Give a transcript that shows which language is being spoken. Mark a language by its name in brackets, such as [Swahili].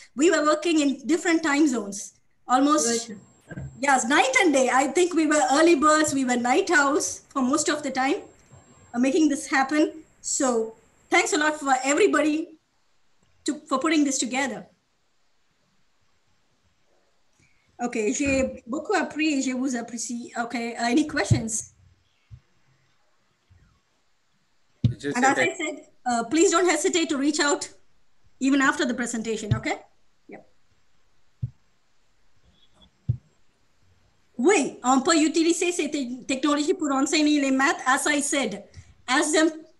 [English] We were working in different time zones, almost, yes, night and day. I think we were early birds, we were night owls for most of the time, making this happen. So. Thanks a lot for everybody for putting this together. [French] Okay, j'ai beaucoup appris et je vous apprécie. [English] Okay, any questions? And as I said, please don't hesitate to reach out even after the presentation, okay? Yep. [French] Oui, on peut utiliser ces technologies pour enseigner les maths, [English] as I said, as them.